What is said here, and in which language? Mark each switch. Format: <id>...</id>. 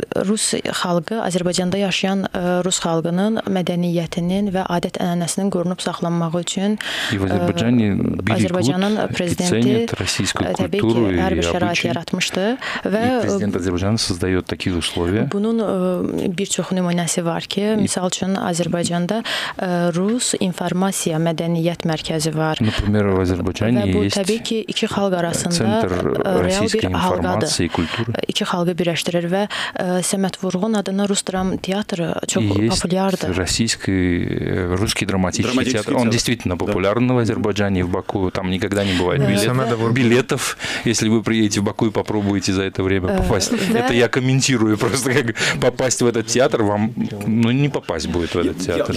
<az>rus xalqı, Azərbaycanda yaşayan rus xalqının mədəniyyətinin və adət-ənənəsinin qorunub saxlanmağı üçün Azərbaycanın prezidenti təbii ki, hər bir şərait yaratmışdı. Və prezident Azərbaycan</az> <ru>создаёт такие условия.</ru> <az>Bunun bir çox nümunəsi var ki, misal üçün Azərbaycanda Rus İnformasiya Mədəniyyət Mərkəzi var.</az> <ru>Например, в Азербайджане есть.</ru> <az>Ve bu təbii ki, iki xalq arasında real bir halqadır. İki xalqı birləşdirir və Səməd Vurğun adına Rus Dram Teatrı çox populyardır.</az> <ru>Есть российский, русский драматический театр. Он действительно популярный в Азербайджане, в Баку. Там никогда не бывает билетов. Если вы приедете в Баку и попробуете за это это время попасть. Это я комментирую просто, как попасть в этот театр, вам не попасть будет в этот театр.</ru>